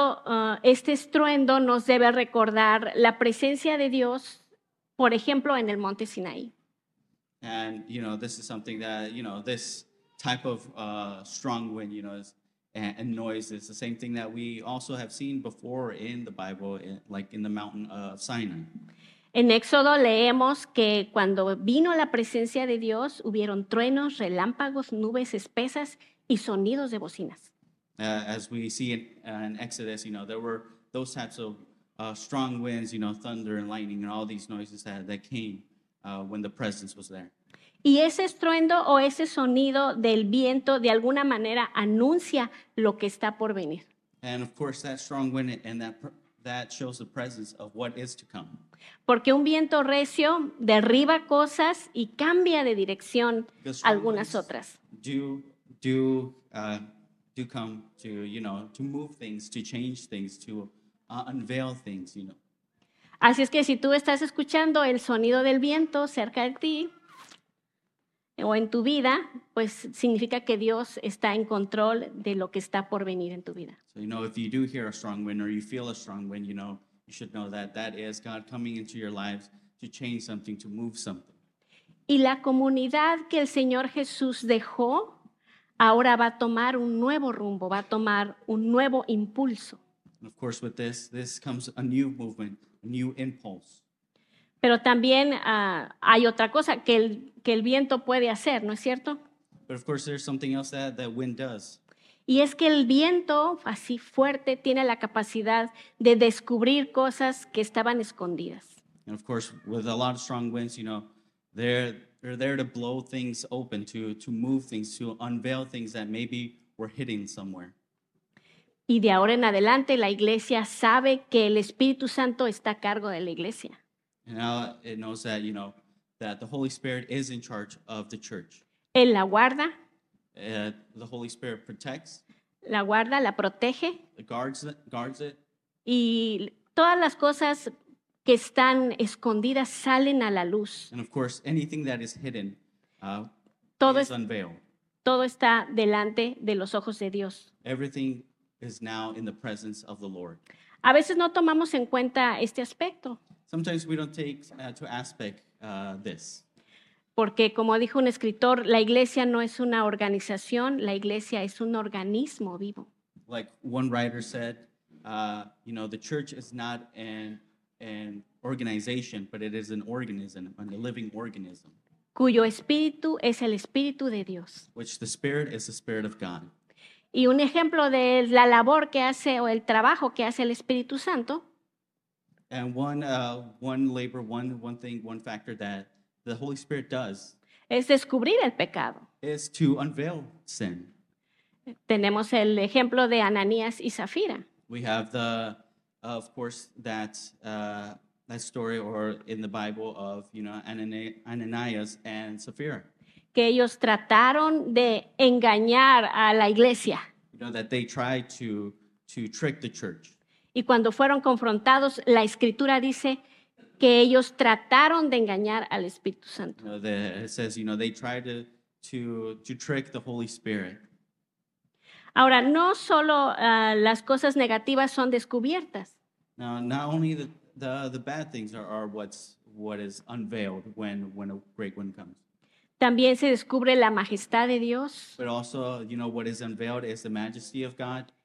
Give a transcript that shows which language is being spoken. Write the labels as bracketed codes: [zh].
[es] Y es que este estruendo nos debe recordar la presencia de Dios, por ejemplo, en el monte Sinaí. [en] And, you know, this is something that, you know, this type of strong wind, you know, and noise is the same thing that we also have seen before in the Bible, like in the mountain of Sinai. [es] En Éxodo leemos que cuando vino la presencia de Dios, hubieron truenos, relámpagos, nubes espesas y sonidos de bocinas. [en] As we see in Exodus, you know, there were those types of strong winds, you know, thunder and lightning and all these noises that came when the presence was there. [es] Y ese estruendo o ese sonido del viento de alguna manera anuncia lo que está por venir. [en] And of course, that strong wind and that shows the presence of what is to come. [es] Porque un viento recio derriba cosas y cambia de dirección algunas otras. [en] Do come to, you know, to move things, to change things, to unveil things, you know. [es] Así es que si tú estás escuchando el sonido del viento cerca de ti o en tu vida, pues significa que Dios está en control de lo que está por venir en tu vida. [en] So, you know, if you do hear a strong wind or you feel a strong wind, you know, you should know that that is God coming into your lives to change something, to move something. [es] Y la comunidad que el Señor Jesús dejó ahora va a tomar un nuevo rumbo, va a tomar un nuevo impulso. [en] And of course, with this, this comes a new movement, a new impulse. [es] Pero también hay otra cosa que el viento puede hacer, ¿no es cierto? [en] But of course, there's something else that the wind does. [es] Y es que el viento, así fuerte, tiene la capacidad de descubrir cosas que estaban escondidas. [en] And of course, with a lot of strong winds, you know, they're there to blow things open, to move things, to unveil things that maybe were hidden somewhere. [es] Y de ahora en adelante, la iglesia sabe que el Espíritu Santo está a cargo de la iglesia. [en] Now it knows that, you know, that the Holy Spirit is in charge of the church. [es] Él la guarda. [en] The Holy Spirit protects. [es] La guarda, la protege. [en] Guards it. [es] Y todas las cosas que están escondidas salen a la luz. [en] And of course, anything that is hidden is unveiled. [es] Todo está delante de los ojos de Dios. [en] Everything is now in the presence of the Lord. [es] A veces no tomamos en cuenta este aspecto. [en] Sometimes we don't take to aspect this. [es] Porque como dijo un escritor, la iglesia no es una organización, la iglesia es un organismo vivo. [en] Like one writer said, you know, the church is not an organization, but it is an organism, a living organism. [es] Cuyo espíritu es el espíritu de Dios. [en] Which the spirit is the spirit of God. [es] Y un ejemplo de la labor que hace o el trabajo que hace el Espíritu Santo. [en] And one factor that the Holy Spirit does [es] es descubrir el pecado. [en] Is to unveil sin. [es] Tenemos el ejemplo de Ananías y Zafira. [en] We have the, of course, that that story or in the Bible of, you know, Ananías and Zafira. [es] Que ellos trataron de engañar a la iglesia. [en] You know, that they tried to trick the church. [es] Y cuando fueron confrontados, la Escritura dice que ellos trataron de engañar al Espíritu Santo. [en] You know, it says, you know, they tried to trick the Holy Spirit. [es] Ahora, no solo las cosas negativas son descubiertas. [en] Now, not only the bad things are what is unveiled when a great wind comes. [es] También se descubre la majestad de Dios. [en] But also, you know, what is unveiled is the majesty of God.